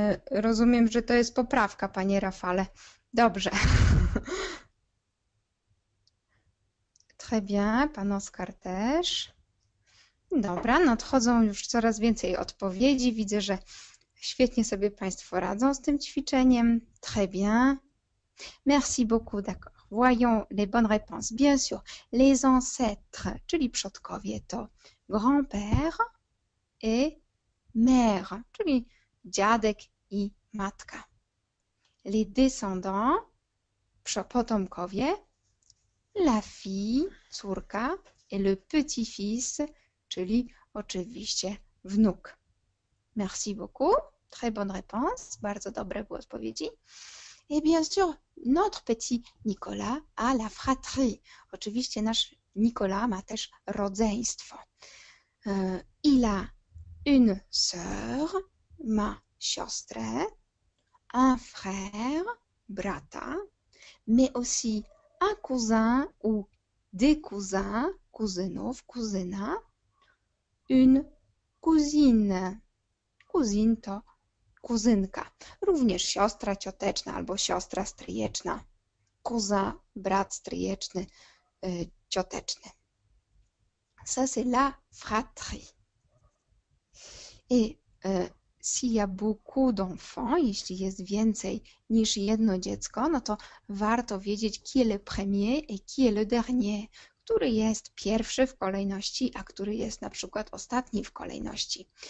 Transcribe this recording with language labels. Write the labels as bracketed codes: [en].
[pl] Rozumiem, że to jest poprawka, panie Rafale. Dobrze. [fr] Très bien, [pl] pan Oskar też. Dobra, nadchodzą już coraz więcej odpowiedzi. Widzę, że świetnie sobie państwo radzą z tym ćwiczeniem. [fr] Très bien. Merci beaucoup, d'accord. Voyons les bonnes réponses. Bien sûr, les ancêtres, [pl] czyli przodkowie, to [fr] grand-père et mère, [pl] czyli dziadek i matka. [fr] Les descendants, potomkowie, la fille, córka, et le petit-fils, [pl] czyli oczywiście wnuk. [fr] Merci beaucoup. Très bonne réponse. [pl] Bardzo dobre były odpowiedzi. [fr] Et bien sûr, notre petit Nicolas a la fratrie. [pl] Oczywiście nasz Nicolas ma też rodzeństwo. [fr] Il a une sœur, [pl] ma siostrę, [fr] un frère, brata, mais aussi un cousin ou des cousins, [pl] kuzynów, kuzyna, [fr] une cousine. [pl] Cousine to kuzynka. Również siostra cioteczna albo siostra stryjeczna. Cousin, brat stryjeczny, cioteczny. [fr] Ça, c'est la fratrie. S'il y a beaucoup d'enfants, [pl] jeśli jest więcej niż jedno dziecko, no to warto wiedzieć, [fr] qui est le premier et qui est le dernier, [pl] który jest pierwszy w kolejności, a który jest na przykład ostatni w kolejności.